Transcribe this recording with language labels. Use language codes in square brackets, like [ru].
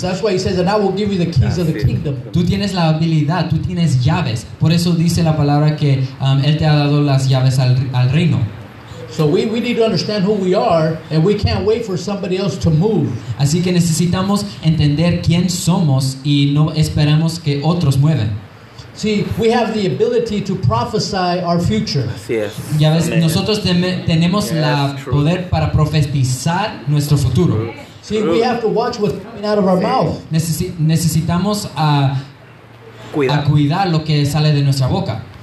[en] That's why he says, "And I will give you the keys of the kingdom." [es] Tú tienes la habilidad. Tú tienes llaves. Por eso dice la palabra que él te ha dado las llaves al reino. [en] So we need to understand who we are, and we can't wait for somebody else to move. [es] Así que necesitamos entender quién somos y no esperamos que otros muevan. [en] See, we have the ability to prophesy our future. [es] Ya ves, nosotros tenemos el poder para profetizar nuestro futuro. [en] See, we have to watch what's coming out of our mouth. [es] Necesitamos a cuidar lo que sale de nuestra boca.